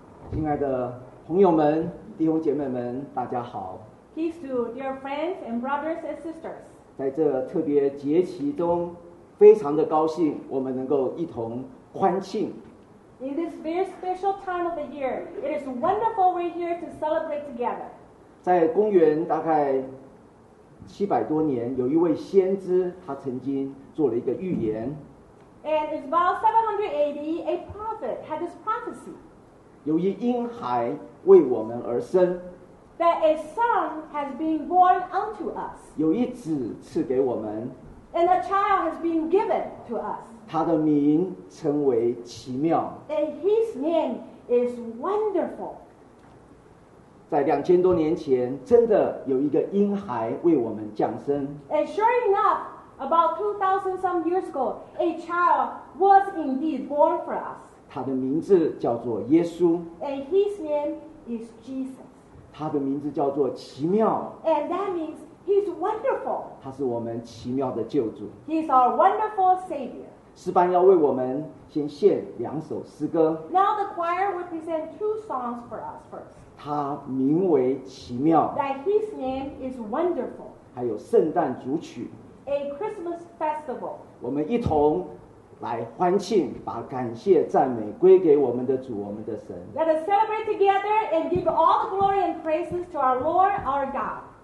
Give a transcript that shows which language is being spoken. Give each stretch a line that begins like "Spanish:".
Chinese: 亲爱的朋友们，弟兄姐妹们，大家好。
English: Peace to dear friends and brothers and sisters.
Chinese: 在这特别节期中，非常的高兴我们能够一同欢庆。
English: In this very special time of the year, it is wonderful we're here to celebrate together.
Chinese: 在公元大概700多年，有一位先知，他曾经做了一个预言。
English: And it's about 780, a prophet had this prophecy.
Chinese: 有一婴孩为我们而生。
English: That a son has been born unto us.
Chinese: 有一子赐给我们。
English: And a child has been given to us.
Chinese: 他的名称为奇妙。
English: And his name is wonderful.
Chinese: 在2000多年前，真的有一个婴孩为我们降生。
English: And sure enough, about 2000 some years ago, a child was indeed born for us.
Chinese: 他的名字叫做耶稣。
English: And his name is Jesus.
Chinese: 他的名字叫做奇妙。
English: And that means he's wonderful.
Chinese: 他是我们奇妙的救主。
English: He's our wonderful savior.
Chinese: 诗班要为我们先献两首诗歌。
English: Now the choir will present two songs for us first.
Chinese: 他名为奇妙。
English: That his name is wonderful.
Chinese: 还有圣诞主曲。
English: A Christmas festival.
Chinese: 我们一同来欢庆，把感谢赞美归给我们的主，我们的神。
English: Let us celebrate together and give all the glory and praises to our Lord, our God.